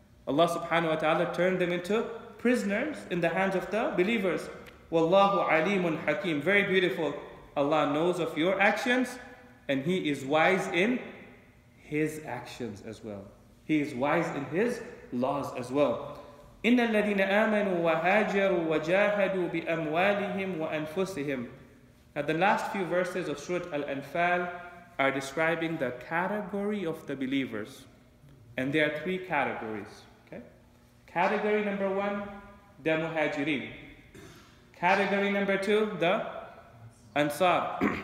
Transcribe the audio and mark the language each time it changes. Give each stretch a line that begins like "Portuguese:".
English: Allah subhanahu wa ta'ala turned them into prisoners in the hands of the believers.
Arabic: Wallahu alimun hakim.
English: Very beautiful. Allah knows of your actions and He is wise in His actions as well. He is wise in His laws as well.
Arabic: إن الذين آمنوا وهاجروا وجاهدوا بأموالهم وأنفسهم.
English: Now the last few verses of Surah Al-Anfal are describing the category of the believers. And there are three categories. Okay? Category number one, the muhajirin. Category number two, the ansar.